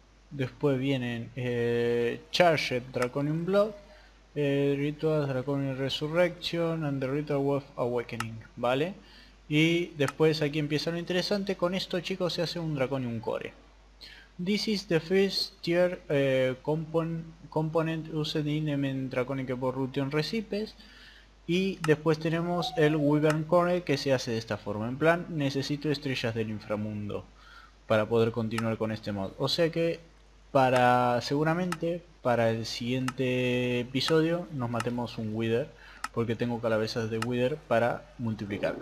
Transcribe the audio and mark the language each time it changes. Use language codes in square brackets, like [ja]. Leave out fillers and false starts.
[es] Después vienen Charged Draconium Blood, Ritual Draconium Resurrection and the Ritual Wolf Awakening, ¿vale? Y después aquí empieza lo interesante, con esto chicos se hace un Draconium Core. [en] This is the first tier component used in Emen Draconic Evolution Recipes. [es] Y después tenemos el Wyvern Core, que se hace de esta forma, en plan, necesito estrellas del inframundo para poder continuar con este mod. O sea que seguramente para el siguiente episodio nos matemos un Wither, porque tengo calabazas de Wither para multiplicar.